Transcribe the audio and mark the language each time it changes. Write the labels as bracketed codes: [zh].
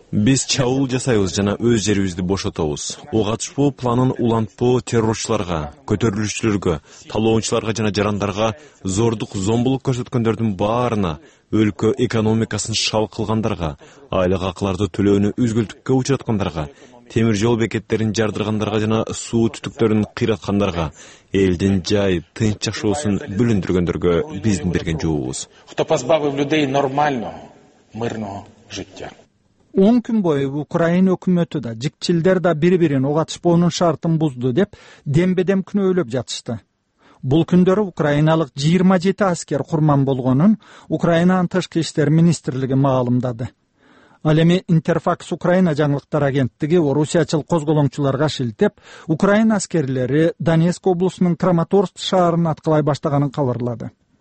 [ky] Биз чабуул жасайбыз жана өз жерибизди бошотобуз. Ок атышпоо планын улантпоо террорчуларга, көтөрүлүшчүлөргө, талоочуларга жана жарандарга зордук зомбулук көрсөткөндөрдүн баарына, өлкө экономикасын шал кылгандарга, айлык акыларды төлөөнү үзгүлтүккө учураткандарга, темир жол бекеттерин жардыргандарга жана суу түтүктөрүн кыйраткандарга, элдин жай тынч жашоосун бүлүндүргөндөргө биздин берген жообубуз. [uk] Кто позбавил людей нормального мирного життя? [ky] 10 күн бою Украина өкмөтү да, жикчилдер да бири-бирин угатышпоонун шартын бузду деп дембедем күнөөлөп жатышты. Бул күндөрү украиналык 27 аскер курман болгонун Украинанын тышкы иштер министрлиги маалымдады. Ал эми Интерфакс Украина жаңылыктар агенттиги орусиячыл козголоңчуларга шилтеп, Украина аскерлери Донецк облусунун Краматорск шаарын аткылай баштаганын кабарлады.